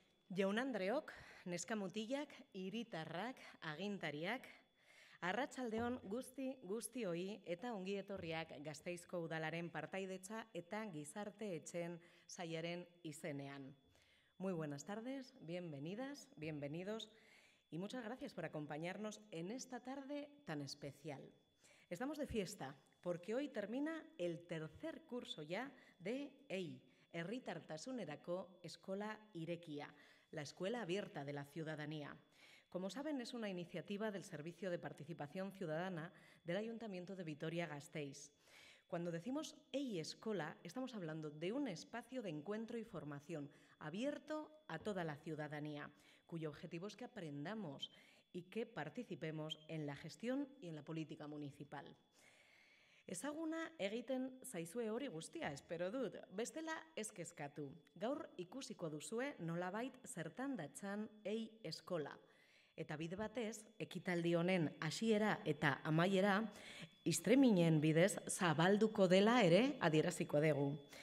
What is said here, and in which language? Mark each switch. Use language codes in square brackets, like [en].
[eu] Jaun andreok, neska mutilak, hiritarrak, agintariak, arratsaldeon guztioi eta ongi etorriak Gasteizko udalaren partaidetza eta gizarte etxen saiaren izenean. [es] Muy buenas tardes, bienvenidas, bienvenidos y muchas gracias por acompañarnos en esta tarde tan especial. Estamos de fiesta porque hoy termina el tercer curso ya de EI, Herritartasunerako Eskola Irekia, la Escuela Abierta de la Ciudadanía. Como saben, es una iniciativa del Servicio de Participación Ciudadana del Ayuntamiento de Vitoria-Gasteiz. Cuando decimos EI Escola, estamos hablando de un espacio de encuentro y formación abierto a toda la ciudadanía, cuyo objetivo es que aprendamos y que participemos en la gestión y en la política municipal. [eu] Ezaguna egiten zaizue hori guztia, espero dut, bestela eskezkatu. Gaur ikusiko duzue nolabait zertan datzan EI Eskola. Eta bide batez, ekitaldi honen hasiera eta amaiera, istreminen bidez zabalduko dela ere adieraziko dugu.